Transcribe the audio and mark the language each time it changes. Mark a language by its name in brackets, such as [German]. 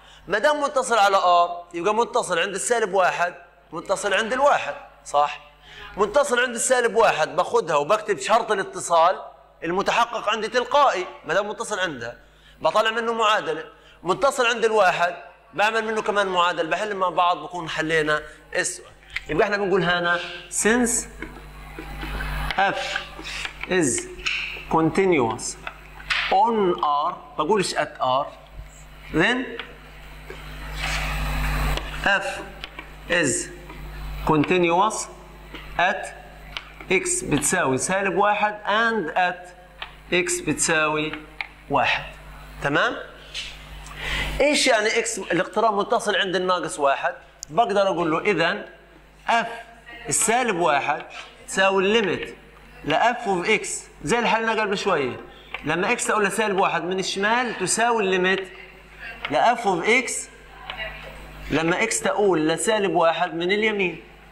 [Arabic] ما دام متصل على R يبقى متصل عند السالب واحد، متصل عند الواحد، صح؟ متصل عند السالب واحد باخدها وبكتب شرط الاتصال المتحقق عندي تلقائي، ما دام متصل عندها بطلع منه معادلة. متصل عند الواحد بعمل منه كمان معادلة، بحل مع بعض بكون حلينا السؤال. يبقى احنا بنقول هنا [English] since f is continuous on r، [Arabic] بقولش [English] at r، then f is continuous at x [Arabic] بتساوي سالب واحد [English] and at x [Arabic] بتساوي واحد. تمام؟ ايش يعني x الاقتران متصل عند الناقص واحد؟ بقدر اقول له اذا f السالب واحد تساوي الليمت ل f of x، زي اللي حلنا قبل شوية، لما x تقول لسالب واحد من الشمال تساوي الليمت ل f of x لما x تقول لسالب واحد من اليمين.